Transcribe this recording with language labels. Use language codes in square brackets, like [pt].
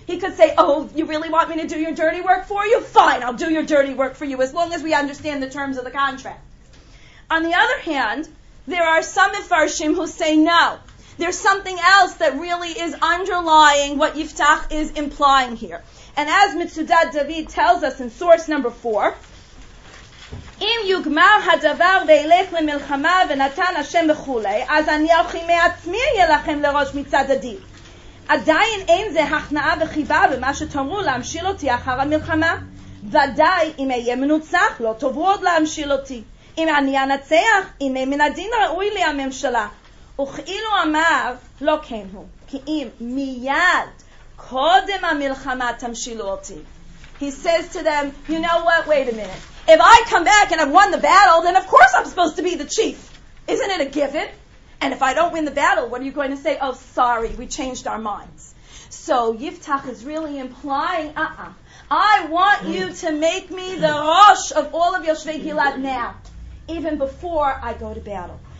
[en] He could say, oh, you really want me to do your dirty work for you? Fine, I'll do your dirty work for you, as long as we understand the terms of the contract. On the other hand, there are some Mefarshim who say no. There's something else that really is underlying what Yiftach is implying here. And as Mitzudat David tells us in source number 4, [he] אם יוגמר הדבר וילך למלחמה ונתן השם וכולי, אז אני אוכי מעצמי ילחם לראש מצד הדין. עדיין אין זה הכנעה וחיבה במה שתאמרו להמשיל אותי אחר המלחמה. ודאי, אם אהיה מנוצח, לא טוב עוד להמשיל אותי. אם אני אנצח, אם אין מן הדין ראוי לי הממשלה. וכאילו אמר, לא כן הוא, כי אם מיד, קודם המלחמה תמשילו אותי. [en] He says to them, you know what, wait a minute. If I come back and I've won the battle, then of course I'm supposed to be the chief. Isn't it a given? And if I don't win the battle, what are you going to say? Oh, sorry, we changed our minds. So Yiftach is really implying, I want you to make me the Rosh of all of Yoshvei Gilad now, even before I go to battle.